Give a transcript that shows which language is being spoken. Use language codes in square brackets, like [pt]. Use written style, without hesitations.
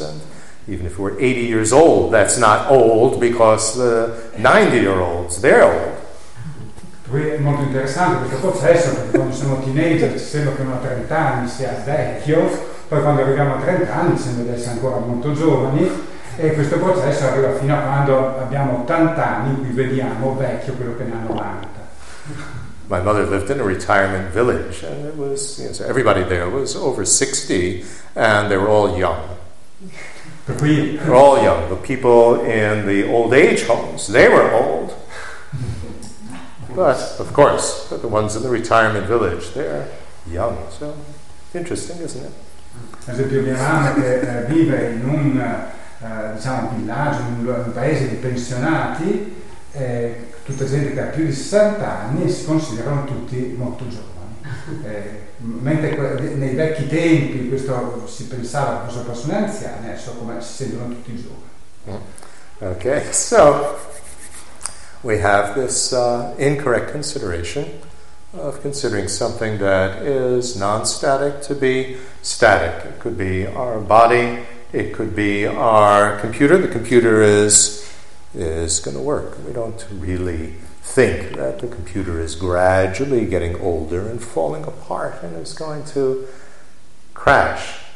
[en] And even if we're 80 years old, that's not old because the 90-year-olds, they're old. [it] Qui è molto interessante questo processo, perché quando siamo teenager ci sembra che uno a 30 anni sia vecchio, poi quando arriviamo a 30 anni sembra di essere ancora molto giovani, e questo processo arriva fino a quando abbiamo 80 anni, qui vediamo vecchio quello che ne ha 90. [en] My mother lived in a retirement village, and it was, you know, so everybody there was over 60, and they were all young. They're all young. The people in the old age homes, they were old. But, of course, but the ones in the retirement village, they're young. So, interesting, isn't it? [it] Ad esempio, mia mamma che vive in un diciamo villaggio, in un paese di pensionati, tutta gente che ha più di 60 anni si considerano tutti molto giovani. Mentre nei vecchi tempi questo si pensava che fosse persone anziane, adesso come si sentono tutti giovani. [en] Ok, so we have this incorrect consideration of considering something that is non-static to be static. It could be our body, it could be our computer. The computer is going to work. We don't really think that the computer is gradually getting older and falling apart and is going to crash.